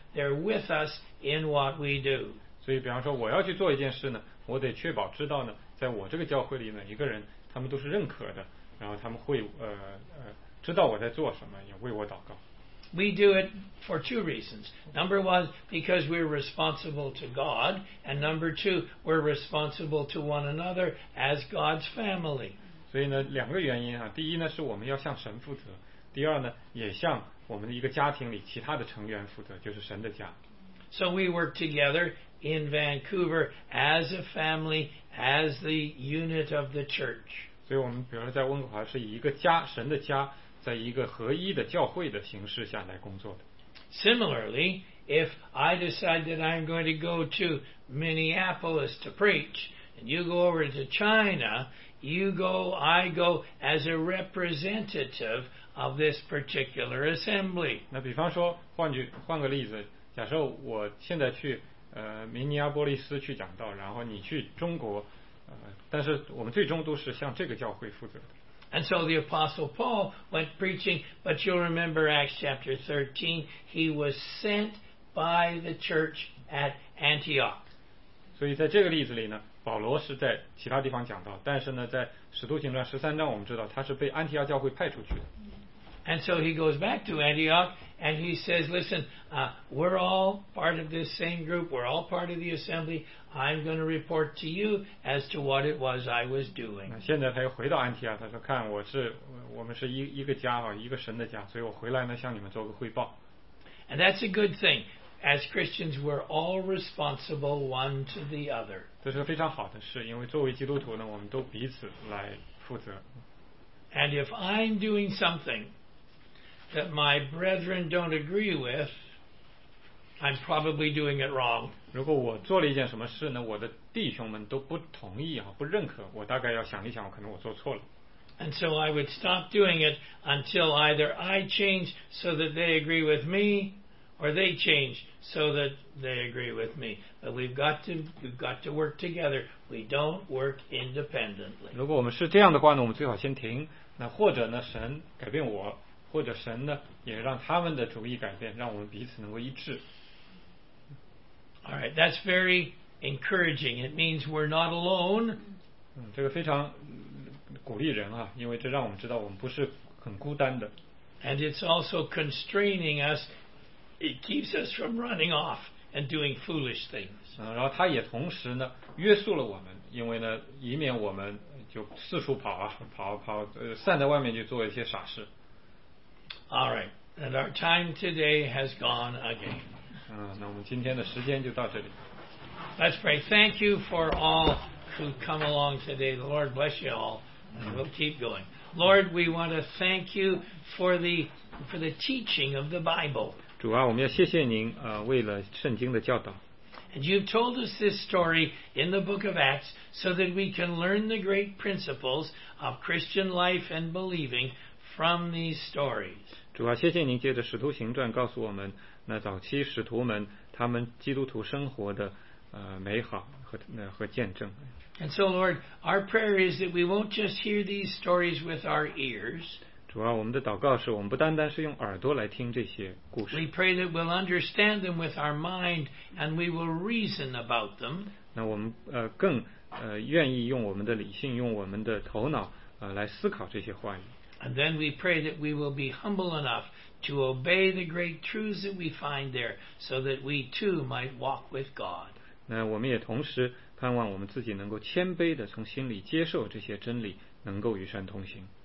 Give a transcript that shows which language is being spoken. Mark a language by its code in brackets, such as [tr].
[en] They're with us in what we do. [zh] 所以比方说我要去做一件事呢，我得确保知道呢，在我这个教会里每一个人他们都是认可的，然后他们会知道我在做什么，也为我祷告。 [en] We do it for two reasons. Number one, because we're responsible to God, and number two, we're responsible to one another as God's family. [zh] 所以呢，两个原因啊，第一呢，是我们要向神负责；第二呢，也向我们的一个家庭里其他的成员负责，就是神的家。 [en] So we work together in Vancouver as a family, as the unit of the church. [zh] 所以我们比如说在温哥华是以一个家，神的家，在一个合一的教会的形式下来工作的。 [en] Similarly, if I decide that I'm going to go to Minneapolis to preach, and you go over to China, I go as a representative of this particular assembly. [zh] 那比方说，换个例子，假设我现在去明尼阿波利斯去讲道，然后你去中国，但是我们最终都是向这个教会负责的。 [en] And so the Apostle Paul went preaching, but you'll remember Acts chapter 13, he was sent by the church at Antioch. [zh] 所以在这个例子里呢，保罗是在其他地方讲道，但是呢，在使徒行传十三章我们知道他是被安提阿教会派出去的。 [en] And so he goes back to Antioch and he says, listen, we're all part of this same group, we're all part of the assembly, I'm going to report to you as to what it was I was doing. [zh] 现在他又回到安提阿，他说看我们是一个家，一个神的家，所以我回来呢向你们做个汇报。 [en] And that's a good thing. As Christians, we're all responsible one to the other. [zh] 这是非常好的事，因为作为基督徒呢，我们都彼此来负责。 [en] And if I'm doing something that my brethren don't agree with, I'm probably doing it wrong. [zh] 如果我做了一件什么事呢，我的弟兄们都不同意啊，不认可，我大概要想一想，可能我做错了。 [en] And so I would stop doing it until either I change so that they agree with me, or they change so that they agree with me. But we've got to work together. We don't work independently. [zh] 如果我们是这样的话呢，我们最好先停。那或者呢，神改变我。或者神呢，也让他们的主意改变，让我们彼此能够一致。 [en] All right, that's very encouraging. It means we're not alone. [zh] 这个非常鼓励人啊，因为这让我们知道我们不是很孤单的。 [en] And it's also constraining us. It keeps us from running off and doing foolish things. [zh] 然后他也同时呢约束了我们，因为呢，以免我们就四处跑啊，跑，散在外面去做一些傻事。 [en] All right, and our time today has gone again. [zh] 那我们今天的时间就到这里。 [en] Let's pray. Thank you for all who come along today. The Lord bless you all, and we'll keep going. Lord, we want to thank you for the teaching of the Bible. [zh] 主啊，我们要谢谢您，为了圣经的教导。 [en] And you've told us this story in the book of Acts so that we can learn the great principles of Christian life and believing from these stories. [zh] 主啊，谢谢您借着使徒行传告诉我们那早期使徒们他们基督徒生活的美好 和见证。 [en] And so, Lord, our prayer is that we won't just hear these stories with our ears. [zh] 主啊，我们的祷告是我们不单单是用耳朵来听这些故事。 [en] We pray that we'll understand them with our mind and we will reason about them. [zh] 那我们更愿意用我们的理性，用我们的头脑来思考这些话语。 [en] And then we pray that we will be humble enough to obey the great truths that we find there so that we too might walk with God. [zh] 那我们也同时盼望我们自己能够谦卑地从心里接受这些真理，能够与神同行。